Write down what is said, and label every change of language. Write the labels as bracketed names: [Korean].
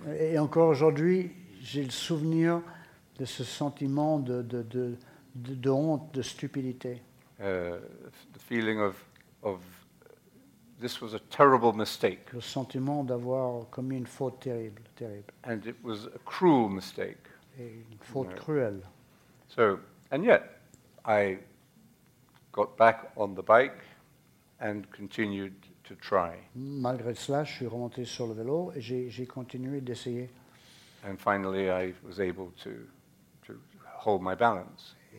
[French] Et encore aujourd'hui, j'ai le souvenir de ce sentiment de honte, de stupidité. [English] The feeling of this was a terrible mistake. [French] Le sentiment d'avoir commis une faute terrible, terrible. [English] And it was a cruel mistake. [French] Et une faute cruelle. [English] So, and yet, I got back on the bike and continued to try. [French] Malgré cela, je suis remonté sur le vélo et j'ai continué d'essayer. [English] And finally, I was able to hold my balance.